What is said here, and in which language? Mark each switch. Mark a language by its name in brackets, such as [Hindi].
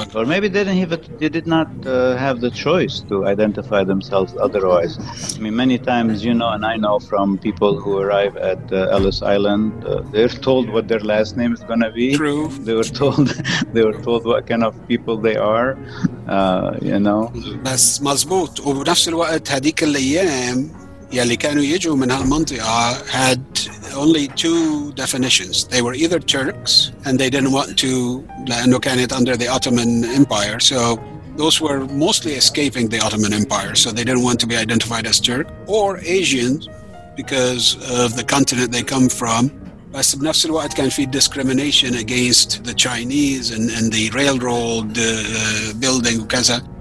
[English] Or maybe they did not have the choice to identify themselves otherwise. I mean, many times, you know, and I know from people who arrive at Ellis Island, they're told what their last name is going to be. True. They were told what kind of people they are, you know. [Arabic] بس مزبوط. وبنفس الوقت هذيك الأيام يلي كانوا يجوا من هالمنطقة [English] had only two definitions. They were either Turks, and they didn't want to, [Arabic] لأنه كانت [English] under the Ottoman Empire. So those were mostly escaping the Ottoman Empire, so they didn't want to be identified as Turk, or Asians, because of the continent they come from. [Arabic] بس بنفس الوقت كان في [English] discrimination against the Chinese and the railroad building [Arabic] وكذا.